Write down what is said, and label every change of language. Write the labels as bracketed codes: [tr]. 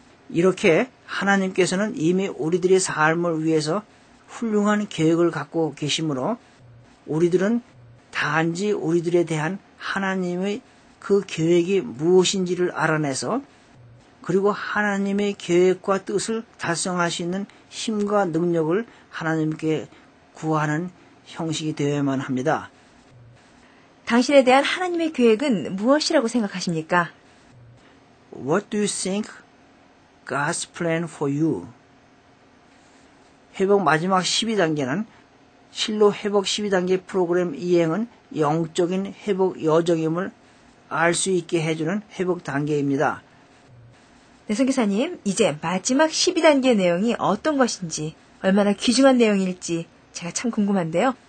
[ko] 이렇게 하나님께서는 이미 우리들의 삶을 위해서 훌륭한 계획을 갖고 계시므로 우리들은 단지 우리들에 대한 하나님의 그 계획이 무엇인지를 알아내서 그리고 하나님의 계획과 뜻을 달성할 수 있는 힘과 능력을 하나님께 구하는 형식이 되어야만 합니다. 당신에 대한 하나님의 계획은 무엇이라고 생각하십니까? [en] What do you think God's plan for you? [ko] 회복 마지막 12단계는 실로 회복 12단계 프로그램 이행은 영적인 회복 여정임을 알 수 있게 해주는 회복 단계입니다. 네, 선교사님, 이제 마지막 12단계 내용이 어떤 것인지, 얼마나 귀중한 내용일지 제가 참 궁금한데요.